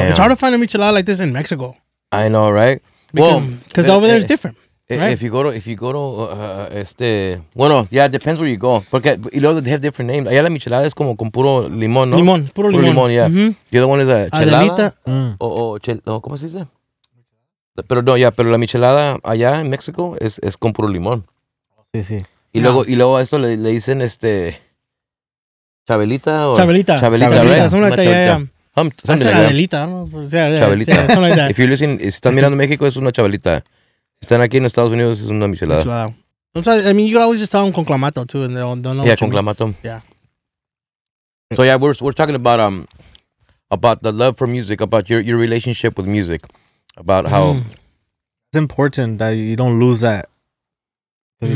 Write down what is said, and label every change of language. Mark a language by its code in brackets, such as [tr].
[en] Bro. It's hard to find a michelada like this in Mexico. I know, right? Because over there is different. Right. If you go to bueno, yeah, it depends where you go. [es] Porque y luego [en] they have different names. [es] Allá la michelada es como con puro limón, ¿no? Limón, puro limón. Puro limón, yeah. Mm-hmm. [en] The other one is a chelada. [es] ¿Cómo se dice? Pero no, ya, yeah, pero la michelada allá en México es con puro limón. Sí, sí. Y luego a esto le dicen Chabelita o Chabelita. Chabelita, son las tallas. Chabelita, ¿no? Chabelita. [en] If you're listening, [es] si estás mirando México, es una chabelita. Están aquí en Estados Unidos, es una michelada. [en] Sometimes, I mean, you could always just tell them [es] con clamato, [en] too. And they'll know, [es] yeah, con clamato. [en] Yeah. So, yeah, we're talking about the love for music, about your relationship with music, about how... Mm. It's important that you don't lose that. Mm-hmm.